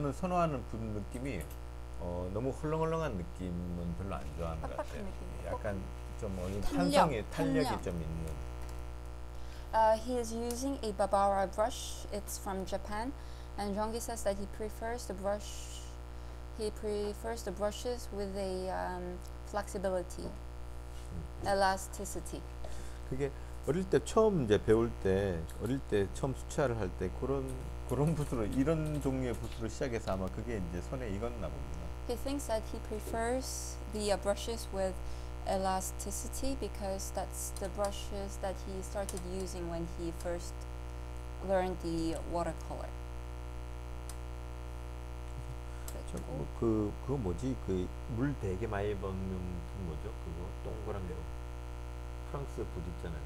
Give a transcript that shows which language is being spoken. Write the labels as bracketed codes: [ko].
[ko] Know, 헐렁헐렁한 느낌은 별로 안 좋아하는 것 같아요. 느낌. 약간 좀 어느 탄성의 탄력이 좀 있는. [en] He is using a Babara brush. It's from Japan, and Jeongi says that he prefers the brushes with a flexibility, elasticity. [ko] 그게 어릴 때 처음 이제 배울 때 어릴 때 처음 수채화를 할 때 그런 붓으로 이런 종류의 붓으로 시작해서 아마 그게 이제 손에 익었나 봅니다. [en] He thinks that he prefers the brushes with elasticity because that's the brushes that he started using when he first learned the watercolor. [ko] 그 그거 뭐지? 그 물 되게 많이 먹는 뭐죠? 그거 동그란 거 프랑스 붓 있잖아요.